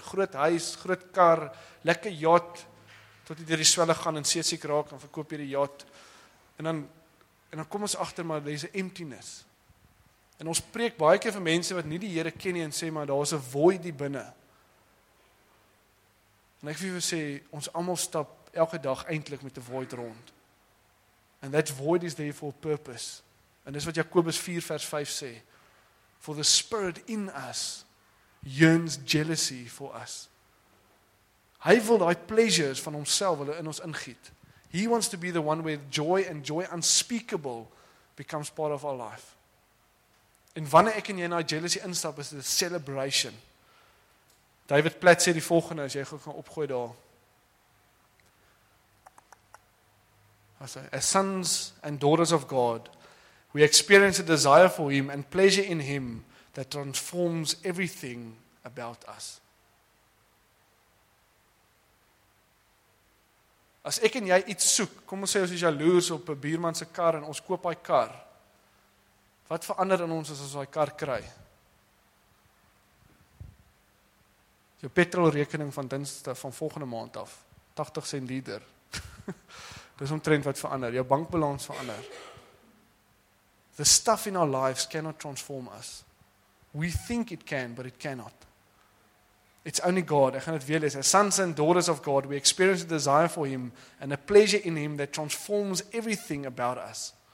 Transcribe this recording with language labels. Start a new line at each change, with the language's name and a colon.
Afrikaans: Groot huis, groot kar, lekker yacht, tot jy door die swelle gaan en seesiek raak en verkoop jy die yacht. En dan kom ons achter, maar
English: there's an emptiness.
Afrikaans: En ons preek baie keer vir mense wat nie die Here ken nie en sê, maar daar is 'n void die binne. En ek wil sê, ons allemaal stap elke dag eindelijk met die void rond.
English: And that void is there for a purpose.
Afrikaans: En dis wat Jakobus 4 vers 5 sê.
English: For the spirit in us yearns jealousy for us.
Afrikaans: Hy wil daai pleasures van homself hulle in ons ingiet.
English: He wants to be the one where joy and joy unspeakable becomes part of our life.
Afrikaans: En wanneer ek en jy in daai jealousy instap, is dit 'n celebration. David Platt sê die volgende, as jy gou gaan opgooi daar.
English: As sons and daughters of God, we experience a desire for him and pleasure in him that transforms everything about us.
Afrikaans: As ek en jy iets soek, kom ons sê ons is jaloers op 'n buurman se kar en ons koop daai kar. Wat verander in ons as ons daai kar kry? Jou petrolrekening van dinsdag van volgende maand af, 80 sent liter. Dis omtrent wat verander, jou bankbalans verander.
English: The stuff in our lives cannot transform us. We think it can, but it cannot. It's only God.
Afrikaans: Ek gaan dit weer lees.
English: As sons and daughters of God, we experience a desire for him and a pleasure in him that transforms everything about us.